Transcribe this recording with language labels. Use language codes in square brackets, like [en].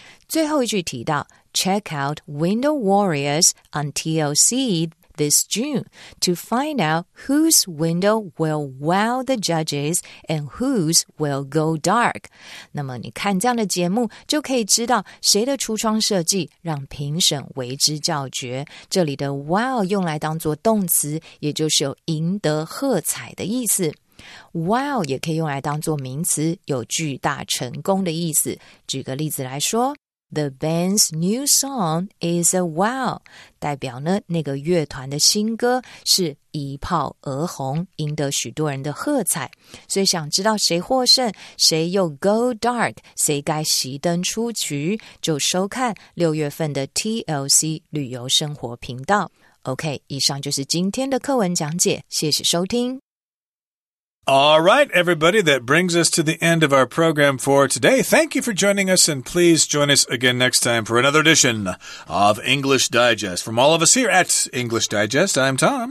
[zh] 最后一句提到 [en] Check out Window Warriors on TLC this June to find out whose window will wow the judges and whose will go dark. [zh] 那么你看这样的节目就可以知道谁的橱窗设计让评审为之叫绝。这里的 wow 用来当作动词也就是有赢得喝彩的意思。 Wow 也可以用来当作名词有巨大成功的意思。举个例子来说 [en] The band's new song is a wow, [zh] 代表呢那个乐团的新歌是一炮而红，赢得许多人的喝彩。所以想知道谁获胜，谁又 go dark, 谁该熄灯出局，就收看6月份的 TLC 旅游生活频道。 OK, 以上就是今天的课文讲解，谢谢收听。 [en] All right, everybody, that brings us to the end of our program for today. Thank you for joining us, and please join us again next time for another edition of English Digest. From all of us here at English Digest, I'm Tom.